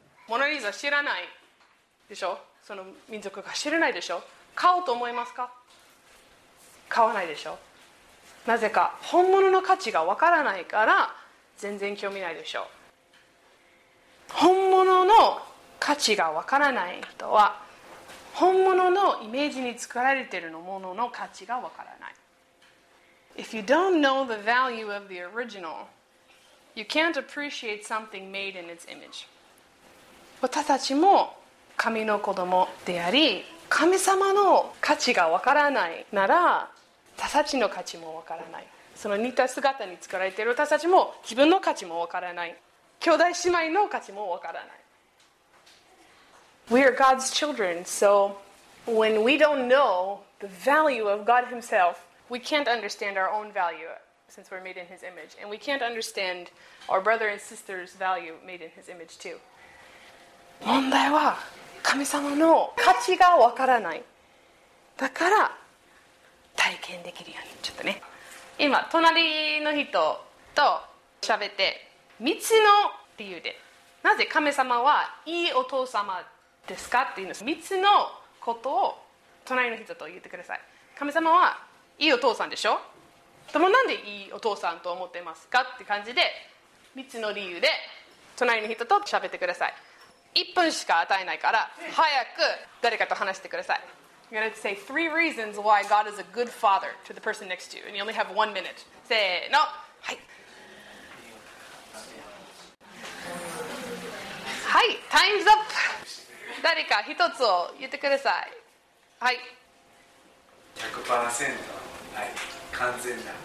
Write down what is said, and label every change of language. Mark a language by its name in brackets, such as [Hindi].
[Japanese] モナリザ知らないでしょ？その民族が知らないでしょ？買おうと思いますか？買わないでしょ？なぜか本物の価値がわからないから全然興味ないでしょ。本物の価値がわからない人は本物のイメージに作られているものの価値がわからない。 [English] If you don't know the value of the original, you can't appreciate something made in its image. [Japanese] 私たちも神の子供であり、神様の価値がわからないなら私たちの価値もわからない。その似た姿に作られている私たちも自分の価値もわからない。兄弟姉妹の価値もわからない。 [English] We are God's children, so when we don't know the value of God Himself, we can't understand our own value since we're made in His image. And we can't understand our brother and sister's value made in His image too. [Japanese] 問題は神様の価値がわからない。だから体験できるようにちょっとね。今隣の人と喋って三つの理由でなぜ神様はいいお父様ですかっていうの、三つのことを隣の人と言ってください。神様はいいお父さんでしょ、でもなんでいいお父さんと思ってますかって感じで三つの理由で隣の人と喋ってください。一分しか与えないから早く誰かと話してください。 [English] You're going to say three reasons why God is a good father to the person next to you, and you only have 1 minute. [Japanese] せーの、はい、はい、タイムズアップ。誰か一つを言ってください。はい、 100% はい、完全な、